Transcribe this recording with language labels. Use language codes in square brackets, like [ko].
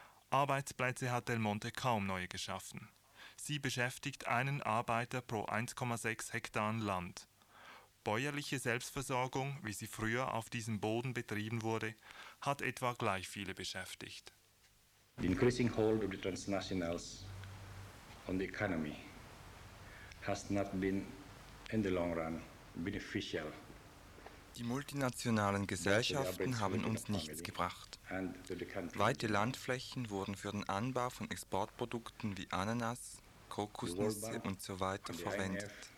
[de] Arbeitsplätze hat Del Monte kaum neue geschaffen. Sie beschäftigt einen Arbeiter pro 1,6 Hektar Land. Bäuerliche Selbstversorgung, wie sie früher auf diesem Boden betrieben wurde, hat etwa gleich viele beschäftigt. [en] The increasing hold of the transnationals on the economy has not been in the long run beneficial. [de] Die multinationalen Gesellschaften haben uns nichts gebracht. Weite Landflächen wurden für den Anbau von Exportprodukten wie Ananas, Kokosnüsse und so weiter verwendet.